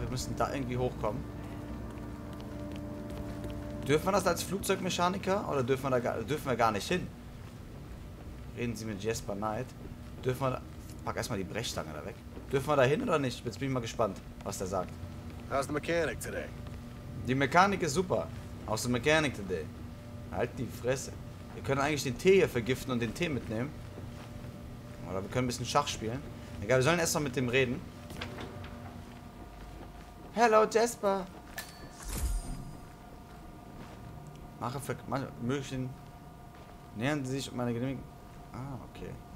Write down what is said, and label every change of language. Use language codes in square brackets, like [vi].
[de] Wir müssen da irgendwie hochkommen. Dürfen wir das als Flugzeugmechaniker? Oder dürfen wir da gar, dürfen wir gar nicht hin? Reden Sie mit Jesper Knight. Dürfen wir da... Pack erstmal die Brechstange da weg. Dürfen wir da hin oder nicht? Jetzt bin ich mal gespannt, was der sagt. [en] How's the mechanic today? [de] Die Mechanik ist super. [en] How's the mechanic today? [de] Halt die Fresse. Wir können eigentlich den Tee hier vergiften und den Tee mitnehmen. Oder wir können ein bisschen Schach spielen. Egal, wir sollen erstmal mit dem reden. Hallo Jesper. Mache für München. Nähern Sie sich meine Genehmigung. Ah, okay.